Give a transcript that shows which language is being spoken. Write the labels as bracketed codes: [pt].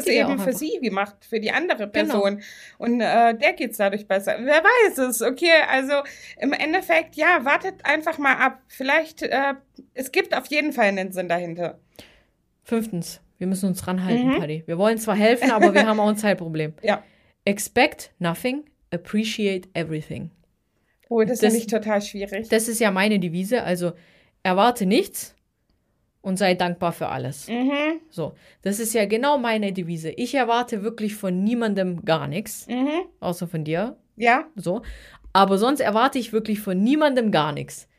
[de] es eben für sie gemacht, für die andere Person. Und der geht es dadurch besser. Wer weiß es, okay? Also im Endeffekt, ja, wartet einfach mal ab. Vielleicht, es gibt auf jeden Fall einen Sinn dahinter. Fünftens. Wir müssen uns ranhalten, Paddy. Wir wollen zwar helfen, aber wir haben auch ein Zeitproblem. Ja. [en] Expect nothing, appreciate everything. [de] Oh, das finde ich total schwierig. Das ist ja meine Devise. Also, erwarte nichts und sei dankbar für alles. Mhm. So, das ist ja genau meine Devise. Ich erwarte wirklich von niemandem gar nichts. Mhm. Außer von dir. Ja. So. Aber sonst erwarte ich wirklich von niemandem gar nichts.